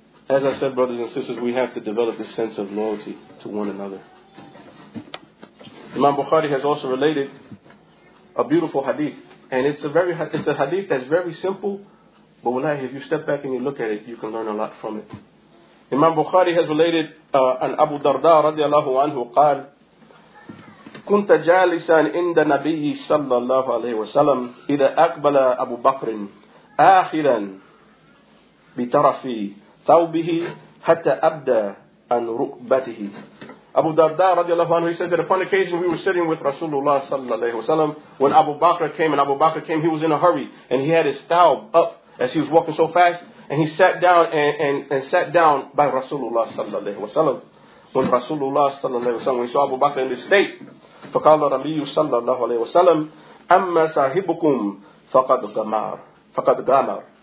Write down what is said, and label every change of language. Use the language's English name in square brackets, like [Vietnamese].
[English] As I said, brothers and sisters, we have to develop this sense of loyalty. to one another. Imam Bukhari has also related a beautiful hadith. And it's a hadith that's very simple, but wallahi, if you step back and you look at it, you can learn a lot from it. Imam Bukhari has related an Abu Darda [Arabic] radiallahu anhu qal, كنت جالسا عند النبي صلى الله عليه وسلم إذا أقبل أبو بكر آخرا بطرف ثوبه حتى أبدى عن ركبته. [English] Abu Darda radiallahu anhu, he says that upon occasion we were sitting with Rasulullah sallallahu alayhi wasallam when Abu Bakr came, he was in a hurry and he had his thawb up as he was walking so fast, and he sat down and sat down by Rasulullah sallallahu alayhi wasallam. When Rasulullah sallallahu alayhi wasallam, when he saw Abu Bakr in this state, [Arabic] فَقَالَ رَبِيُّ صَلَّى اللَّهُ عَلَيْهِ وَسَلَّمْ أَمَّا صَاحِبُكُمْ فَقَدْ غَمَرْ فَقَدْ غَمَرْ.